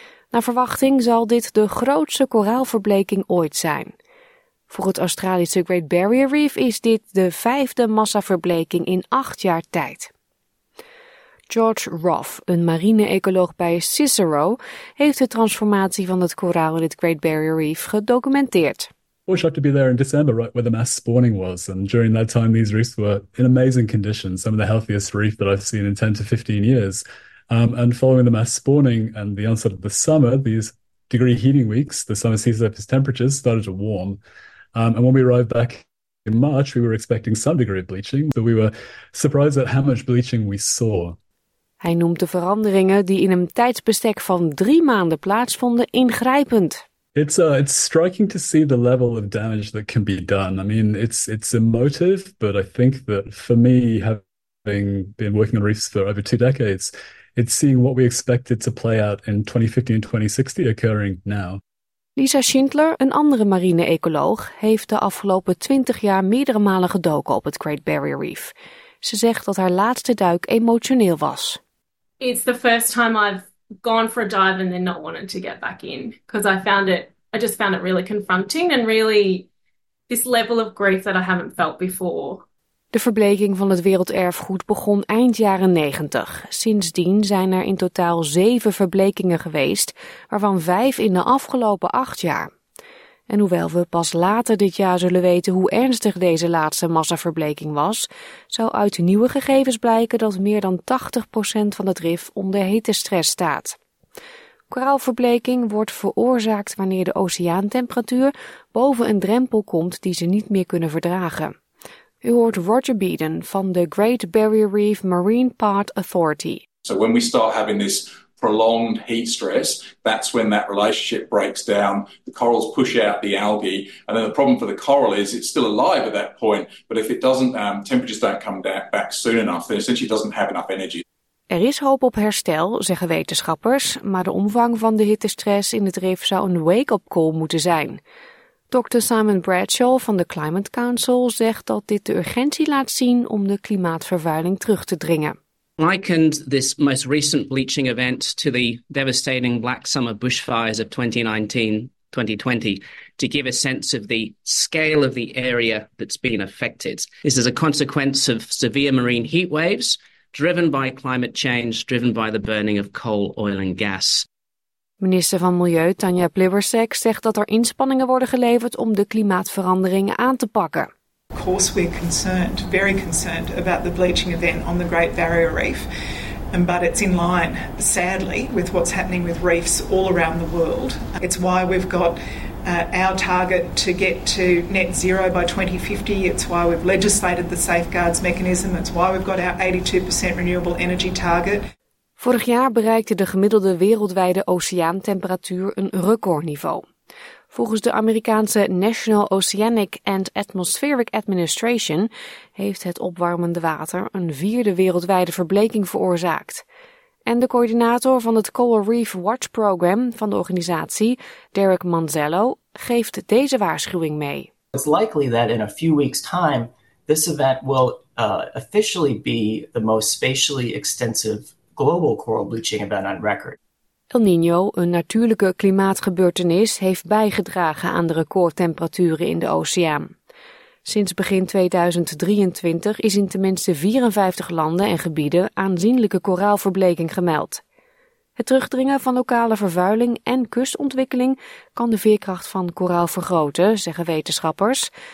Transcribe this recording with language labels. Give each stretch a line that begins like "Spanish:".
Dutch: Naar verwachting zal dit de grootste koraalverbleking ooit zijn. Voor het Australische Great Barrier Reef is dit de vijfde massaverbleking in 8 jaar tijd. George Roth, een marine-ecoloog bij Cicero, heeft de transformatie van het koraal in het Great Barrier Reef gedocumenteerd.
English: We shocked to be there in December, right where the mass spawning was, and during that time these reefs were in amazing condition, some of the healthiest reef that I've seen in 10 to 15 years. And following the mass spawning and the onset of the summer, these degree heating weeks, the summer sea surface temperatures started to warm. And when we arrived back in March, we were expecting some degree of bleaching, but we were surprised at how much bleaching we saw.
Dutch: Hij noemt de veranderingen die in een tijdsbestek van 3 maanden plaatsvonden ingrijpend.
English: It's striking to see the level of damage that can be done. I mean, it's emotive, but I think that for me, having been working on reefs for over 2 decades, it's seeing what we expected to play out in 2050 and 2060 occurring now.
Dutch: Lisa Schindler, een andere marine-ecoloog, heeft de afgelopen 20 jaar meerdere malen gedoken op het Great Barrier Reef. Ze zegt dat haar laatste duik emotioneel was.
English: It's the first time I've gone for a dive and then not wanted to get back in. Because I just found it really confronting and really this level of grief that I haven't felt before.
Dutch: De verbleking van het werelderfgoed begon eind jaren 90. Sindsdien zijn er in totaal 7 verblekingen geweest, waarvan 5 in de afgelopen 8 jaar. En hoewel we pas later dit jaar zullen weten hoe ernstig deze laatste massaverbleking was, zou uit nieuwe gegevens blijken dat meer dan 80% van het rif onder hittestress staat. Koraalverbleking wordt veroorzaakt wanneer de oceaantemperatuur boven een drempel komt die ze niet meer kunnen verdragen. U hoort Roger Beeden van de Great Barrier Reef Marine Part Authority.
English: So when we start having this prolonged heat stress, that's when that relationship breaks down. The corals push out the algae. And then the problem for the coral is it's still alive at that point. But if it doesn't, temperatures don't come back soon enough, then essentially it doesn't have enough energy.
Dutch: Er is hoop op herstel, zeggen wetenschappers. Maar de omvang van de hittestress in het rif zou een wake-up call moeten zijn. Dr. Simon Bradshaw van de Climate Council zegt dat dit de urgentie laat zien om de klimaatvervuiling terug te dringen.
English: Likened this most recent bleaching event to the devastating Black Summer bushfires of 2019-2020 to give a sense of the scale of the area that's been affected. This is a consequence of severe marine heat waves driven by climate change, driven by the burning of coal, oil and gas.
Dutch: Minister van Milieu Tanja Plibersek zegt dat er inspanningen worden geleverd om de klimaatverandering aan te pakken.
English: Of course we're concerned, very concerned about the bleaching event on the Great Barrier Reef, but it's in line, sadly, with what's happening with reefs all around the world. It's why we've got our target to get to net zero by 2050, it's why we've legislated the safeguards mechanism, it's why we've got our 82% renewable energy target.
Dutch: Vorig jaar bereikte de gemiddelde wereldwijde oceaantemperatuur een recordniveau. Volgens de Amerikaanse National Oceanic and Atmospheric Administration heeft het opwarmende water een 4e wereldwijde verbleking veroorzaakt. En de coördinator van het Coral Reef Watch Program van de organisatie, Derek Manzello, geeft deze waarschuwing mee.
English: It's likely that in a few weeks' time, this event will officially be the most spatially extensive global coral bleaching event on record.
Dutch: El Niño, een natuurlijke klimaatgebeurtenis, heeft bijgedragen aan de recordtemperaturen in de oceaan. Sinds begin 2023 is in tenminste 54 landen en gebieden aanzienlijke koraalverbleking gemeld. Het terugdringen van lokale vervuiling en kustontwikkeling kan de veerkracht van koraal vergroten, zeggen wetenschappers.